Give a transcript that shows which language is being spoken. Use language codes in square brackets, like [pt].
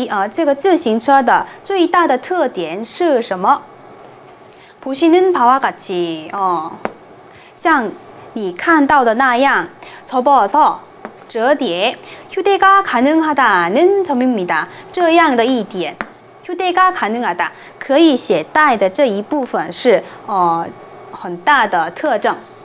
[zh] 这个自行车的最大的特点是什么? [ko] 보시는 바와 같이, [zh] 像你看到的那样, [ko] 접어서 折叠, 휴대가 가능하다는 점입니다. [zh] 这样的一点, [ko] 휴대가 가능하다, [zh] 可以携带的这一部分是, 很大的特征.